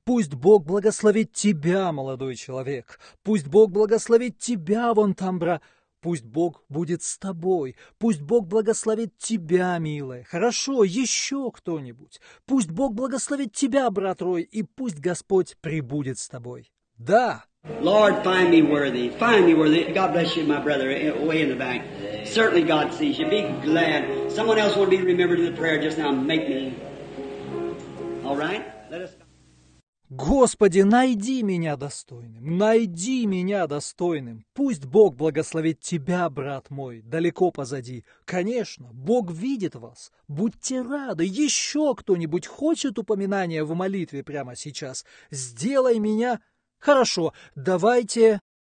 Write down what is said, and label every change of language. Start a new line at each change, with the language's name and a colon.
Russian: Пусть Бог благословит тебя, молодой человек. Пусть Бог благословит тебя вон там, бра. Пусть Бог будет с тобой. Пусть Бог благословит тебя, милая. Хорошо, еще кто-нибудь. Пусть Бог благословит тебя, брат Рой, и пусть Господь прибудет с тобой. Да.
English: Lord, find me worthy. Find me worthy. God bless you, my brother, way in the back. Certainly God sees you. Be glad. Someone else will be remembered in the prayer just now. Make me. All right? Let us...
Russian: Господи, найди меня достойным, найди меня достойным. Пусть Бог благословит тебя, брат мой, далеко позади. Конечно, Бог видит вас. Будьте рады. Еще кто-нибудь хочет упоминания в молитве прямо сейчас? Сделай меня... Хорошо, давайте...